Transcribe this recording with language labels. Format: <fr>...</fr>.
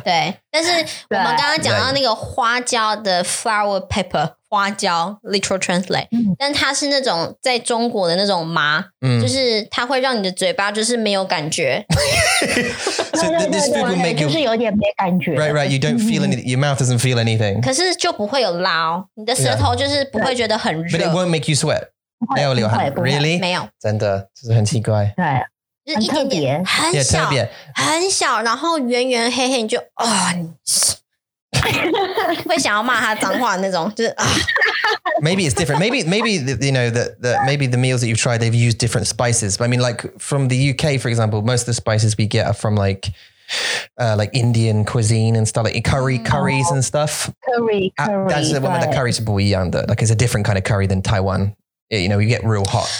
<zh>对，但是我们刚刚讲到那个花椒的 flower pepper, 花椒 literal translate、嗯、但它是那种在中国的那种麻、嗯、就是它会让你的嘴巴就是没有感觉</zh> <en>so this food will make you</en> <zh>就是有点没感觉</zh> <en>right right you don't feel anything your mouth doesn't feel anything</en> <zh>可是就不会有辣、哦、你的舌头就是不会觉得很热</zh> <en>but it won't make you sweat 没有流汗 really</en> <zh>没有真的就是很奇怪对就是一点点很小 yeah, 很小然后圆圆黑黑你就啊、哦、会想要骂他脏话那种就是、啊、</zh> <en>Maybe it's different maybe you know that maybe the meals that you've tried they've used different spices but I mean like from the UK for example most of the spices we get are from like Indian cuisine and stuff like curries and stuff curry that's the one with the curry 是不一样的 like it's a different kind of curry than Taiwan yeah, you know you get real hot、</en>